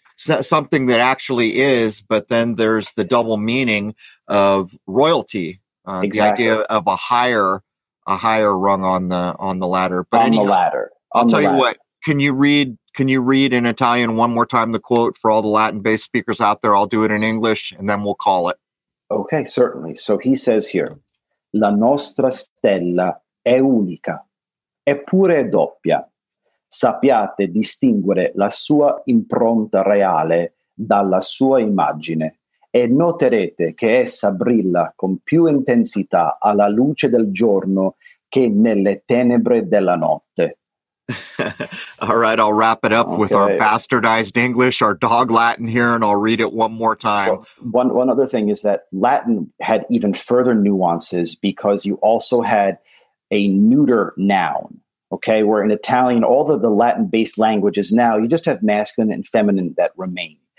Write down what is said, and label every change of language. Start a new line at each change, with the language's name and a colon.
English: Something that actually is, but then there's the double meaning of royalty. Exactly. The idea of a higher rung on the ladder. But the ladder. I'll tell you what, can you read in Italian one more time the quote for all the Latin-based speakers out there? I'll do it in English, and then we'll call it. Okay, certainly. So he says here,
Italian: la nostra stella è unica, eppure è doppia. Sappiate distinguere la sua impronta reale dalla sua immagine e noterete che essa brilla con più intensità alla luce del giorno che nelle tenebre della notte.
English: All right, I'll wrap it up with our bastardized English, our dog Latin here, and I'll read it one more time. Well, one other thing is that Latin had even further nuances because you also had a neuter noun. Okay, where in Italian, all the Latin-based languages now, you just have masculine and feminine that remain.